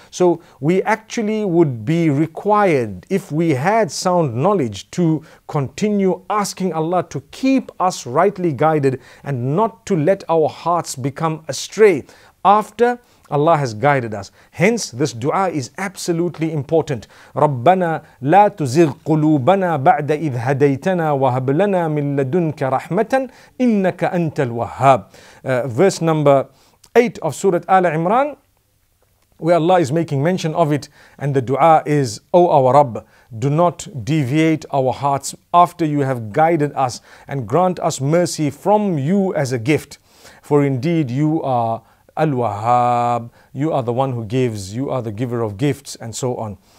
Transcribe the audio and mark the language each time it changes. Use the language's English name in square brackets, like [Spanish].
[English] So we actually would be required, if we had sound knowledge, to continue asking Allah to keep us rightly guided and not to let our hearts become astray after Allah has guided us. Hence, this dua is absolutely important. [Arabic] رَبَّنَا لَا تُزِغْ قُلُوبَنَا بَعْدَ إِذْ هَدَيْتَنَا وَهَبْ لَنَا مِنْ لَدُنْكَ رَحْمَةً إِنَّكَ أَنْتَ الْوَهَّابِ. [English] Verse number 8 of Surah Al-Imran, where Allah is making mention of it, and the dua is, O our Rabb, do not deviate our hearts after you have guided us and grant us mercy from you as a gift. For indeed you are Al-Wahhab, you are the one who gives, you are the giver of gifts, and so on.